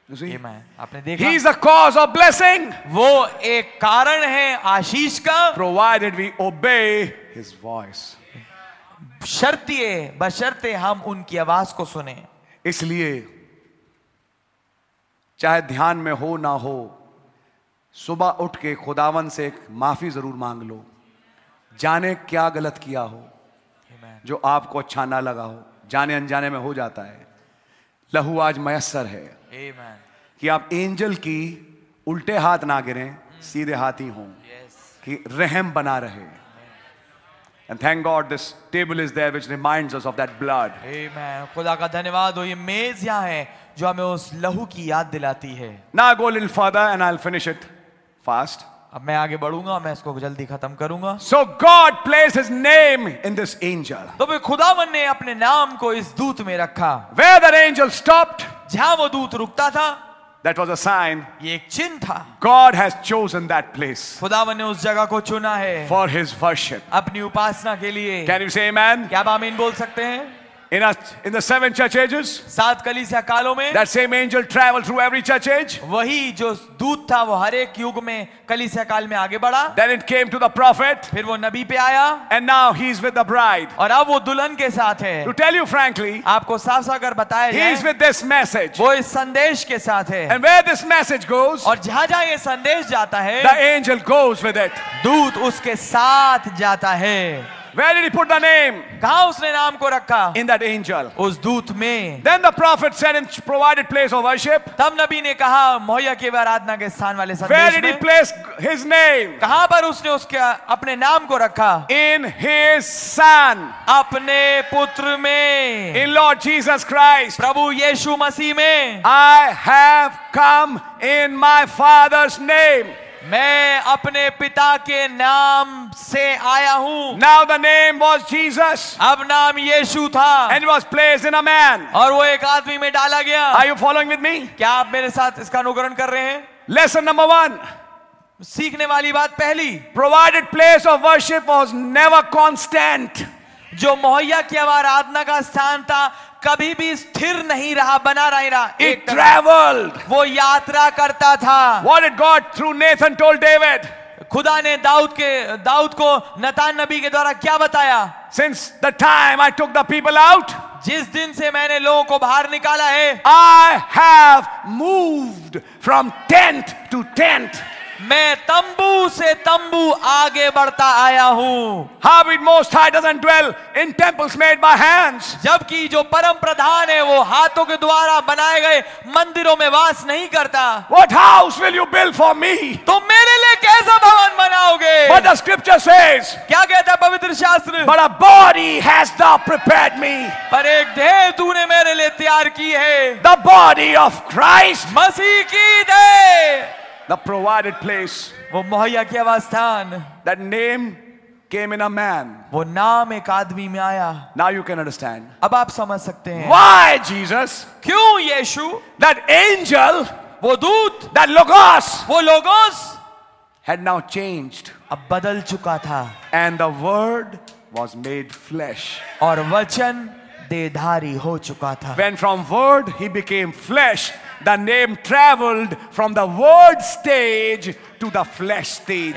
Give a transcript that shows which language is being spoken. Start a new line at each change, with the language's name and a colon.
English: He is a cause of blessing.
Hindi: वो एक कारण है आशीष का.
English: Provided we obey his voice.
Hindi: शर्त ये, बशर्ते हम उनकी आवाज को सुने. इसलिए चाहे ध्यान में हो ना हो, सुबह उठ के खुदावन से एक माफी जरूर मांग लो. जाने क्या गलत किया हो.
English: Amen.
Hindi: जो आपको अच्छा ना लगा हो, जाने अनजाने में हो जाता है. लहू आज मयसर है.
English: Amen.
Hindi: कि आप एंजल की उल्टे हाथ ना गिरे, सीधे हाथ ही हों.
English: Yes.
Hindi: कि रहम बना रहे.
English: And thank God this table is there which reminds us of that blood.
Hindi: आमेन. खुदा का धन्यवाद हो, ये मेज यहां है जो हमें उस लहू की याद दिलाती है.
English: Now go a little further and I'll finish it fast.
Hindi: अब मैं आगे बढ़ूंगा, मैं इसको जल्दी खत्म करूंगा.
English: So God placed his name in this angel.
Hindi: तो फिर खुदावन ने अपने नाम को इस दूत में रखा.
English: Where that angel stopped,
Hindi: जहां वो दूत रुकता था,
English: that was a sign.
Hindi: ये एक चिन्ह था.
English: God has chosen that place.
Hindi: खुदावन ने उस जगह को चुना है.
English: For his worship.
Hindi: अपनी उपासना के लिए.
English: Can you say amen?
Hindi: क्या आप आमीन बोल सकते हैं?
English: In the seven church ages,
Hindi: सात कलीसिया कालों में,
English: that same angel traveled through every church age.
Hindi: वही जो दूत था वो हर एक युग में कलीसिया काल में आगे बढ़ा.
English: Then it came to the prophet.
Hindi: फिर वो नबी पे आया.
English: And now he is with the bride.
Hindi: और अब वो दुल्हन के साथ है.
English: To tell you frankly,
Hindi: आपको साफ साफ अगर बताया जाए,
English: he is with this message.
Hindi: वो इस संदेश के साथ है.
English: And where this message goes,
Hindi: और जहाँ जहाँ ये संदेश जाता है,
English: the angel goes with it.
Hindi: दूत उसके साथ जाता है.
English: Where did he put the name?
Hindi: कहाँ उसने नाम को रखा?
English: In that angel.
Hindi: उस दूत में.
English: Then the prophet said and provided place of worship.
Hindi: तब नबी ने कहा मोहिया के आराधना के स्थान वाले संदेश में.
English: Where did he place his name?
Hindi: कहाँ पर उसने उसके अपने नाम को रखा?
English: In his son.
Hindi: अपने पुत्र में.
English: In Lord Jesus Christ.
Hindi: प्रभु यीशु मसीह में.
English: I have come in my father's name.
Hindi: मैं अपने पिता के नाम से आया हूँ.
English: Now the name was Jesus.
Hindi: अब नाम यीशु था.
English: And was placed in a man.
Hindi: और वो एक आदमी में डाला गया.
English: Are you following with me?
Hindi: क्या आप मेरे साथ इसका अनुकरण कर रहे हैं?
English: Lesson number one.
Hindi: सीखने वाली बात पहली.
English: Provided place of worship was never constant.
Hindi: जो मोहिया की आराधना का स्थान था कभी भी स्थिर नहीं रहा, बना नहीं रहा.
English: It traveled.
Hindi: वो यात्रा करता था.
English: What did God through Nathan told David?
Hindi: खुदा ने दाऊद को नतान नबी के द्वारा क्या बताया?
English: Since the time I took the people out,
Hindi: जिस दिन से मैंने लोगों को बाहर निकाला है,
English: I have moved from tent to tent.
Hindi: मैं तंबू से तंबू आगे बढ़ता आया हूँ.
English: How it most high doesn't dwell in temples made by hands.
Hindi: जबकि जो परम प्रधान है वो हाथों के द्वारा बनाए गए मंदिरों में वास नहीं करता.
English: What house will you build for me?
Hindi: तो मेरे लिए कैसा भवन बनाओगे?
English: But the scripture says.
Hindi: क्या कहता है पवित्र शास्त्र?
English: But a body has thou prepared me.
Hindi: पर एक देह तूने मेरे लिए तैयार की है.
English: The body of Christ.
Hindi: मसीह की देह.
English: The provided place.
Hindi: वो मोहिया की आवाज़ स्थान.
English: That name came in a man.
Hindi: वो नाम एक आदमी में आया.
English: Now you can understand.
Hindi: अब आप समझ सकते हैं.
English: Why Jesus?
Hindi: क्यों यीशु?
English: That angel.
Hindi: वो दूत.
English: That logos.
Hindi: वो logos.
English: Had now changed.
Hindi: अब बदल चुका था.
English: And the word was made flesh.
Hindi: और वचन देहधारी हो चुका था.
English: When from word he became flesh. The name traveled from the word stage to the flesh stage.